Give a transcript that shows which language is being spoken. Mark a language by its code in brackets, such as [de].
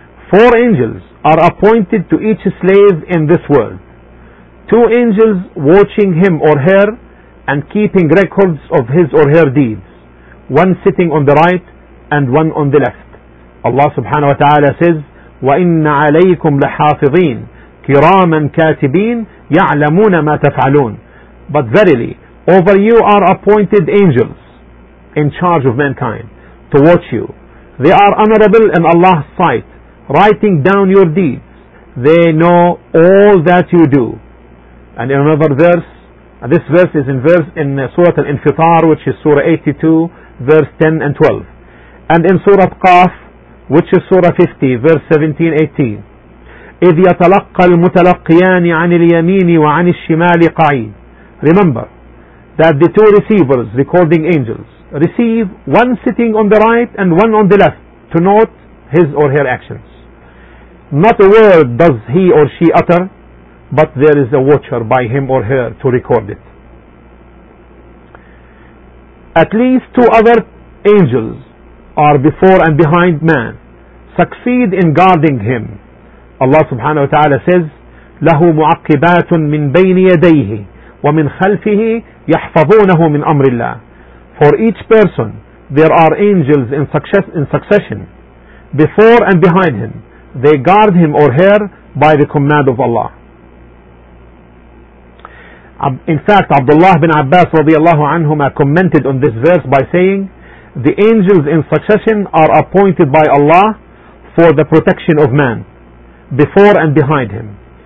[en] Four angels are appointed to each slave in this world. Two angels watching him or her and keeping records of his or her deeds. One sitting on the right and one on the left. [ar] Allah subhanahu wa ta'ala says, وَإِنَّ عَلَيْكُمْ لَحَافِظِينَ كِرَامًا كَاتِبِينَ يَعْلَمُونَ مَا تَفْعَلُونَ. [en] But verily, over you are appointed angels in charge of mankind to watch you. They are honorable in Allah's sight, writing down your deeds. They know all that you do. And in another verse, this verse is in Surah Al-Infitar, which is Surah 82, verse 10 and 12. And in Surah Qaf, which is Surah 50, verse 17-18, [ar] إِذْ يَتَلَقَّ الْمُتَلَقِّيَانِ عَنِ الْيَمِينِ وَعَنِ الشِّمَالِ قَعِيدٍ. [en] Remember that the two receivers, recording angels, receive one sitting on the right and one on the left to note his or her actions. Not a word does he or she utter, but there is a watcher by him or her to record it. At least two other angels are before and behind man, succeed in guarding him. [ar] Allah subhanahu wa ta'ala says, لَهُ مُعَقِّبَاتٌ مِّن بَيْنِ يَدَيْهِ وَمِن خَلْفِهِ يَحْفَظُونَهُ مِّنْ أَمْرِ اللَّهِ. [en] For each person, there are angels in succession, before and behind him. They guard him or her by the command of Allah. In fact, Abdullah bin Abbas radiallahu anhuma commented on this verse by saying, the angels in succession are appointed by Allah for the protection of man, before and behind him.